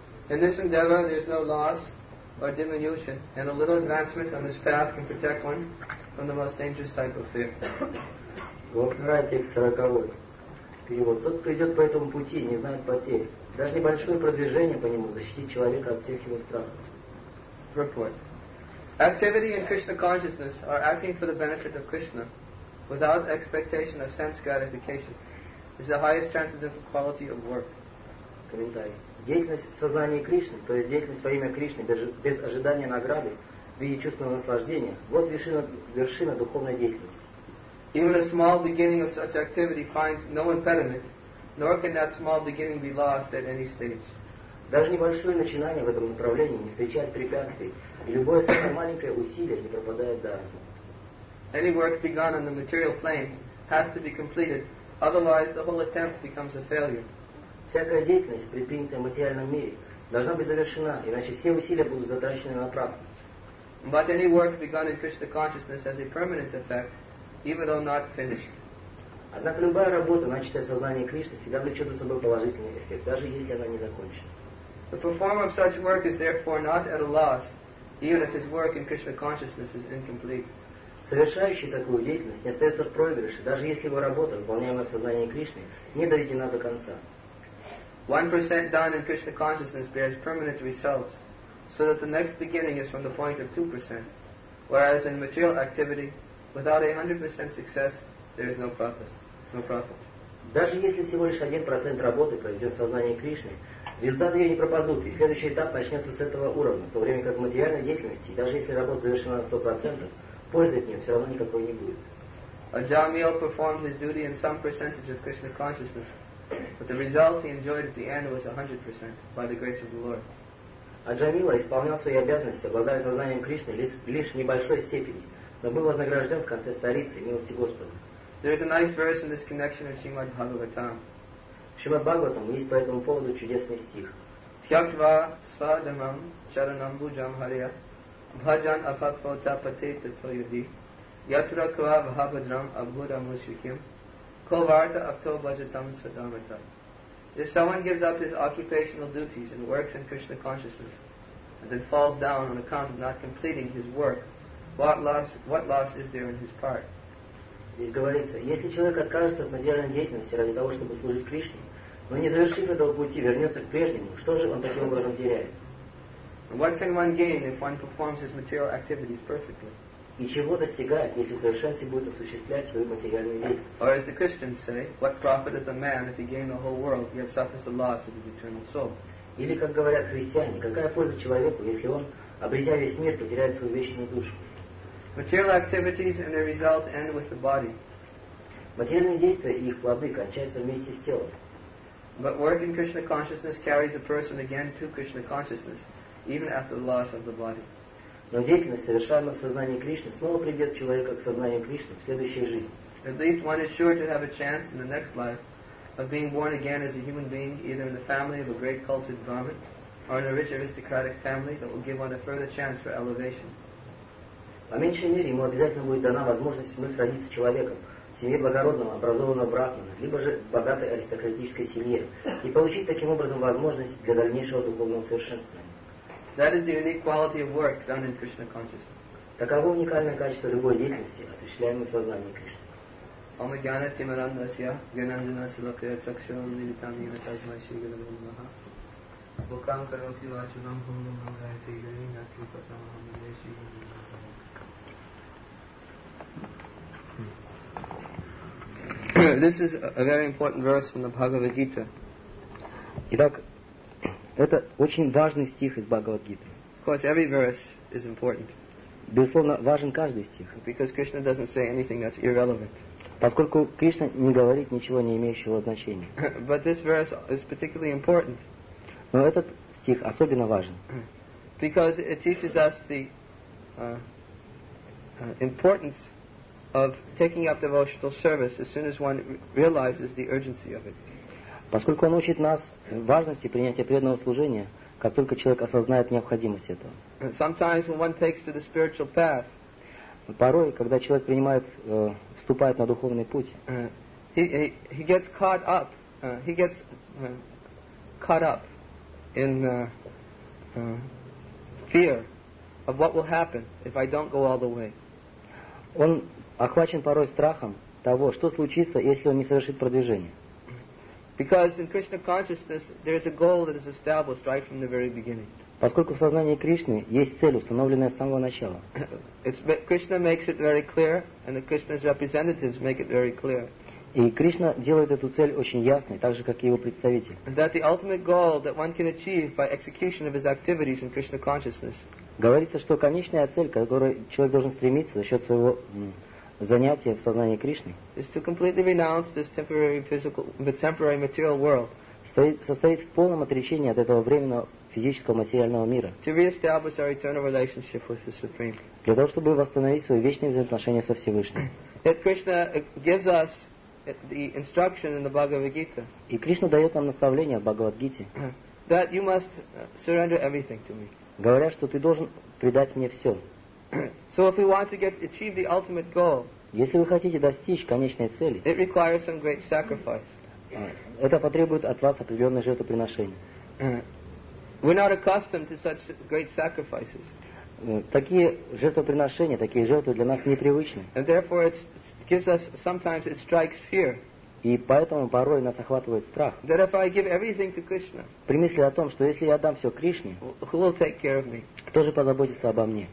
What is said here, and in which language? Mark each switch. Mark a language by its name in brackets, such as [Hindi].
[English] In this endeavor there is no loss or diminution, and a little advancement on this path can protect one from the most dangerous type of fear. [Russian] Вот нравится 40-й перевод. Тот, кто идет по этому пути, не знает потерь. Даже небольшое продвижение по нему защитит человека от всех его страхов. [English] Report. Activity in Krishna consciousness are acting for the benefit of Krishna without expectation of sense gratification is the highest transcendental quality of work. [Russian] Комментарий. Деятельность в сознании Кришны, то есть деятельность во имя Кришны без ожидания награды в виде чувственного наслаждения, вот вершина духовной деятельности. [English] Even a small beginning of such activity finds no impediment, nor can that small beginning be lost at any stage. [Russian] Даже небольшое начинание в этом направлении не встречает препятствий, и любое самое маленькое усилие не пропадает даром. [English] Any work begun on the material plane has to be completed, otherwise the whole attempt becomes a failure. [Russian] Всякая деятельность, предпринятая в материальном мире, должна быть завершена, иначе все усилия будут затрачены напрасно. [English] But any work begun in Krishna consciousness has a permanent effect, even though not finished. [Russian] Однако любая работа, начатая в сознании Кришны, всегда влечет за собой положительный эффект, даже если она не закончена. [English] The performer of such work is therefore not at a loss, even if his work in Krishna consciousness is incomplete. [Russian] Совершающий такую деятельность не остается в проигрыше, даже если его работа, выполняемая в сознании Кришны, не доведена до конца. [English] 1% done in Krishna consciousness bears permanent results, so that the next beginning is from the point of 2%, whereas in material activity, without a 100% success, there is no profit. No profit. [Russian] Даже если всего лишь 1% работы произведен в сознании Кришны, результаты ее не пропадут, и следующий этап начнется с этого уровня, в то время как в материальной деятельности, даже если работа завершена на 100%, пользы от нее все равно никакой не будет. [English] Ajamil performed his duty in some percentage of Krishna consciousness, but the result he enjoyed at the end was 100% by the grace of the Lord. [Russian] Ajamila исполнял свои обязанности, обладая сознанием Кришны лишь в небольшой степени, но был вознагражден в конце сторицей милости Господа. [English] There is a nice verse in this connection of Srimad Bhagavatam. [Russian] Srimad Bhagavatam есть по этому поводу чудесный стих. [Sanskrit] Тхьяктва свадамам чаранам буджам харья бхаджан апатфо тапате татва юди ятра ква бхабадрам абхурам усвихим ко варта апто бхаджатам садамата. [English] If someone gives up his occupational duties and works in Krishna consciousness and then falls down on account of not completing his work, what loss is there in his part? [Russian] Здесь говорится, если человек откажется от материальной деятельности ради того, чтобы служить Кришне, но не завершив этого пути, вернется к прежнему, что же он таким образом теряет? [English] What can one gain if one performs his material activities perfectly? [Russian] И чего достигает, если в совершенстве будет осуществлять свою материальную деятельность? [English] Or as the Christians say, what profiteth a man if he gain the whole world, yet suffers the loss of his eternal soul? [Russian] Или, как говорят христиане, какая польза человеку, если он, обретя весь мир, потеряет свою вечную душу? [English] Material activities and their results end with the body. [Russian] Материальные действия и их плоды кончаются вместе с телом. [English] But work in Krishna consciousness carries a person again to Krishna consciousness, even after the loss of the body. [Russian] Но деятельность, совершаемая в сознании Кришны, снова приведет человека к сознанию Кришны в следующей жизни. [English] At least one is sure to have a chance in the next life of being born again as a human being, either in the family of a great cultured Brahmin or in a rich aristocratic family that will give one a further chance for elevation. [Russian] По меньшей мере, ему обязательно будет дана возможность вновь родиться человеком в семье благородного, образованного брахмана, либо же богатой аристократической семье, и получить таким образом возможность для дальнейшего духовного совершенствования. [English] That is the unique quality of work done in Krishna consciousness. [Russian] Таково уникальное качество любой деятельности, осуществляемой в сознании Кришны. [Sanskrit] Ом гьяна тимарандасья гьянанджана силакая чакшурам нилитам яна тасмай шри гурве намаха. Бхукам кароти вачунам хумнам мангаяте гьяни натхи патамахам нилитам яна тасмай шри гурве намаха. [English] This is a very important verse from the Bhagavad Gita. [Russian] Итак, это очень важный стих из Бхагавад Гиты. [English] Of course, every verse is important. [Russian] Безусловно, важен каждый стих. [English] Because Krishna doesn't say anything that's irrelevant. [Russian] Поскольку Кришна не говорит ничего не имеющего значения. [English] But this verse is particularly important. [Russian] Но этот стих особенно важен. [English] Because it teaches us the importance of taking up devotional service as soon as one realizes the urgency of it. [Russian] Поскольку он учит нас важности принятия преданного служения, как только человек осознает необходимость этого. [English] And sometimes when one takes to the spiritual path, [Russian] порой, когда человек принимает, вступает на духовный путь, [English] he gets caught up in fear of what will happen if I don't go all the way. [Russian] Он охвачен порой страхом того, что случится, если он не совершит продвижение. [English] Because in Krishna consciousness there is a goal that is established right from the very beginning. [Russian] Поскольку в сознании Кришны есть цель, установленная с самого начала. [English] Krishna makes it very clear, and the Krishna's representatives make it very clear. [Russian] И Кришна делает эту цель очень ясной, так же как и его представитель. [English] That the ultimate goal that one can achieve by execution of his activities in Krishna consciousness. [Russian] Говорится, что конечная цель, к которой человек должен стремиться за счет своего занятия в сознании Кришны, [English] is to completely renounce this temporary physical, temporary material world. [Russian] Состоит в полном отречении от этого временного физического материального мира. [English] To re-establish our eternal relationship with the Supreme. [Russian] Для того, чтобы восстановить свои вечные взаимоотношения со Всевышним. [English] That Krishna gives us the instruction in the Bhagavad Gita. [Russian] И Кришна дает нам наставление в Бхагавад Гите. [English] That you must surrender everything to me. [Russian] Говорят, что ты должен предать мне все. [English] So if we want to get achieve the ultimate goal, [Russian] если вы хотите достичь конечной цели, [English] it requires some great sacrifice. [Russian] Это потребует от вас определенное жертвоприношение. [English] We're not accustomed to such great sacrifices. [Russian] Такие жертвоприношения, такие жертвы для нас непривычны. [English] And therefore it gives us sometimes it strikes fear. [Russian] И поэтому порой нас охватывает страх. [English] That if I give everything to Krishna, [Russian] при мысли о том, что если я отдам все Кришне, [English] who will take care of me? [Russian] Кто же позаботится обо мне?